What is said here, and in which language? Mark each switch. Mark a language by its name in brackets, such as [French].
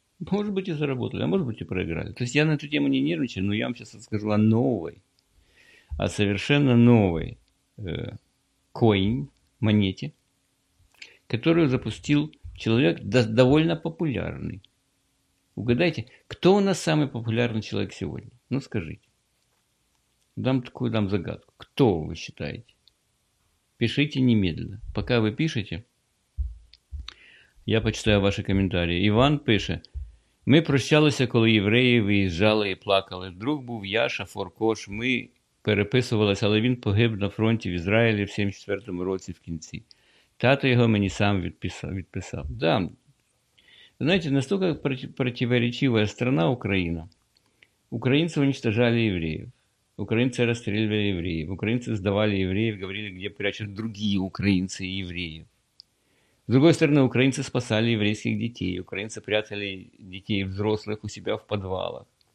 [Russian] Может быть и заработали, а может быть и проиграли. То есть я на эту тему не нервничаю, но я вам сейчас расскажу о новой, о совершенно новой coin, монете, которую запустил человек довольно популярный. Угадайте, кто у нас самый популярный человек сегодня? Ну, скажите. Дам загадку. Кто вы считаете? Пишите немедленно. Пока вы пишете, я почитаю ваши комментарии. Иван пишет. [Ukrainian] Ми прощалися, коли євреї виїжджали і плакали. Друг був Яша Форкош. Ми переписувалися, але він погиб на фронті в Ізраїлі в 74-му році в кінці. Тато його мені сам відписав. [Russian] Да. Знаете, настолько противоречивая страна Украина. Украинцы уничтожали евреев. Украинцы расстреливали евреев. Украинцы сдавали евреев, говорили, где прячут другие украинцы и евреев. С другой стороны, украинцы спасали еврейских детей. Украинцы прятали детей взрослых у себя в подвалах.